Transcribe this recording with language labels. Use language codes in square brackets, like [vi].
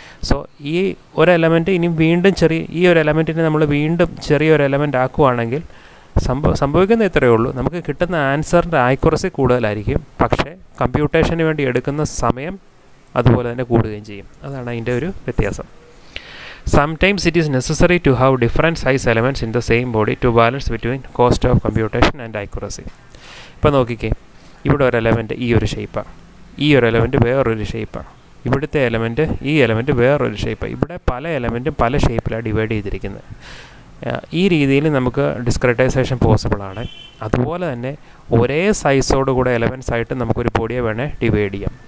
[ml] So ഈ ഒരു element ഇനി വീണ്ടും ചെറിയ ഈ ഒരു എലമെൻറ്റിനെ നമ്മൾ വീണ്ടും ചെറിയൊരു എലമെൻ്റ് ആക്കുവാണെങ്കിൽ സംഭവിക്കുന്ന ഇത്രയേ ഉള്ളൂ, നമുക്ക് കിട്ടുന്ന ആൻസറിൻ്റെ ആക്യുറസി കൂടുതലായിരിക്കും, പക്ഷേ കമ്പ്യൂട്ടേഷന് വേണ്ടി എടുക്കുന്ന സമയം അതുപോലെ തന്നെ കൂടുകയും ചെയ്യും. അതാണ് അതിൻ്റെ ഒരു വ്യത്യാസം. [en] Sometimes it is necessary to have different size elements in the same body to balance between cost of computation and accuracy. [ml] ഇപ്പോൾ നോക്കിക്കേ, ഇവിടെ ഒരു എലമെൻറ്റ് ഈ ഒരു ഷേപ്പാണ്, ഈ ഒരു എലമെൻറ്റ് വേറൊരു ഷേപ്പാണ്, ഇവിടുത്തെ എലമെൻറ്റ് ഈ എലമെൻറ്റ് വേറൊരു ഷേപ്പ്, ഇവിടെ പല എലമെൻറ്റും പല ഷേപ്പിലാണ് ഡിവൈഡ് ചെയ്തിരിക്കുന്നത്. ഈ രീതിയിൽ നമുക്ക് ഡിസ്ക്രിറ്റൈസേഷൻ പോസിബിളാണ്. അതുപോലെ തന്നെ ഒരേ സൈസോടുകൂടെ എലമെൻസായിട്ട് നമുക്കൊരു ബോഡിയെ വേണേൽ ഡിവൈഡ് ചെയ്യാം.